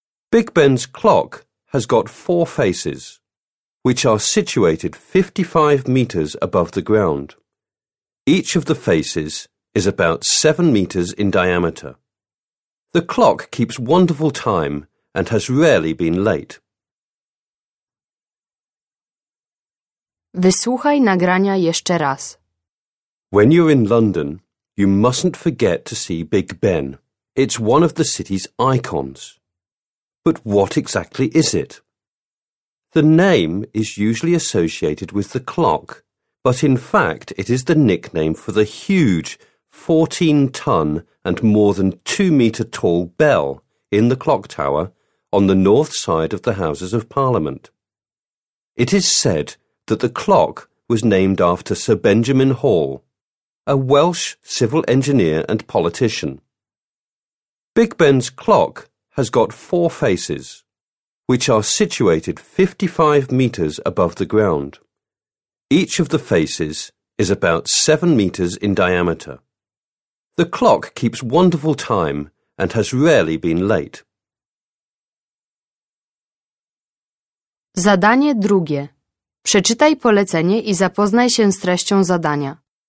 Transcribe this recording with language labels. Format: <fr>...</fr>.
<en>Big Ben's clock has got four faces, which are situated 55 metres above the ground. Each of the faces is about 7 metres in diameter. The clock keeps wonderful time and has rarely been late.</en> <pl>Wysłuchaj nagrania jeszcze raz.</pl> <en>When you're in London, you mustn't forget to see Big Ben. It's one of the city's icons. But what exactly is it? The name is usually associated with the clock, but in fact it is the nickname for the huge 14-ton and more than 2-meter-tall bell in the clock tower on the north side of the Houses of Parliament. It is said that the clock was named after Sir Benjamin Hall, a Welsh civil engineer and politician. Big Ben's clock has got four faces, which are situated 55 metres above the ground. Each of the faces is about 7 metres in diameter. The clock keeps wonderful time and has rarely been late.</en> <pl>Zadanie drugie. Przeczytaj polecenie i zapoznaj się z treścią zadania.</pl>